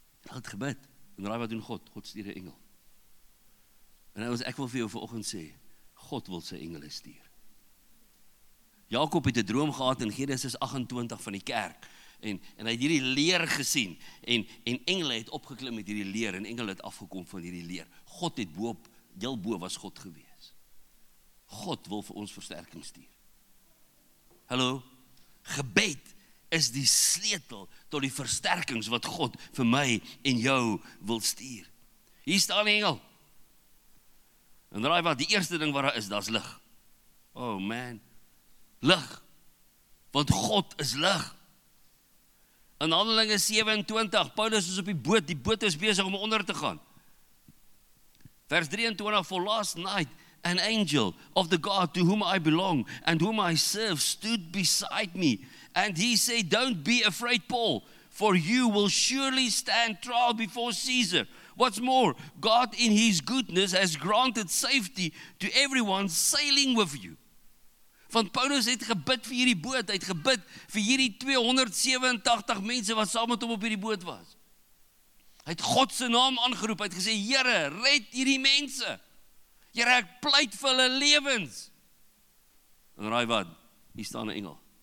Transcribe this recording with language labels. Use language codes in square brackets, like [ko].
[af] Het gebed, en raai wat doen God, God stuur een engel. En nou, ek wil vir jou vanoggend sê, God wil sy engele stuur. Jakob het 'n droom gehad in Genesis 28 van die kerk, en hy het hierdie leer gesien, en engele het opgeklim met hierdie leer, en engele het afgekom van hierdie leer. God het boop, heel bo was God gewees. God wil vir ons versterking stuur. Hallo, gebed is die sleutel tot die versterkings wat God vir my en jou wil stuur. Hier staan die engel. En raai wat, die eerste ding wat daar is, dat is lig. Oh man, lig. Want God is lig. In Handelinge 27, Paulus is op die boot, die boot is besig om onder te gaan. Vers 23, [en] for last night, an angel of the God to whom I belong and whom I serve stood beside me. And he said, don't be afraid, Paul, for you will surely stand trial before Caesar. What's more, God in his goodness has granted safety to everyone sailing with you. [af] Want Paulus het gebid vir hierdie boot, hy het gebid vir hierdie 287 mense wat saam met hom op hierdie boot was. Hy het God se naam aangeroep, hy het gesê, Here, red hierdie mense. Here, ek pleit vir hulle lewens. En raai wat, hier staan 'n engel.